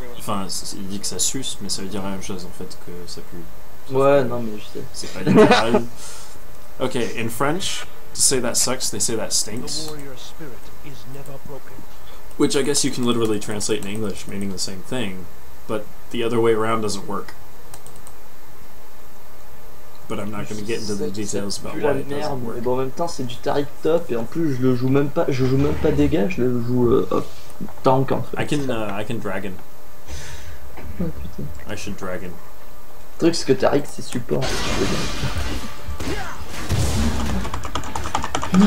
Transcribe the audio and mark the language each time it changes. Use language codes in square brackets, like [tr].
[fr] Enfin, il dit que ça suce, mais ça veut dire la même chose en fait que ça pue. Ouais, non, mais je sais. C'est pas littéral. [en] Ok, in French, to say that sucks, they say that stinks. The warrior spirit is never broken. Which I guess you can literally translate in English, meaning the same thing, but the other way around doesn't work. But I'm not going to get into the details about why it doesn't work. [fr] Mais bon, en même temps, c'est du tarif top et en plus, je le joue même pas. Je joue même pas dégâts. Je le joue hop, tank en fait. [en] I can dragon. [fr] Oh, putain. [en] I should dragon. [fr] Le truc, c'est que tarif c'est support. Non, je le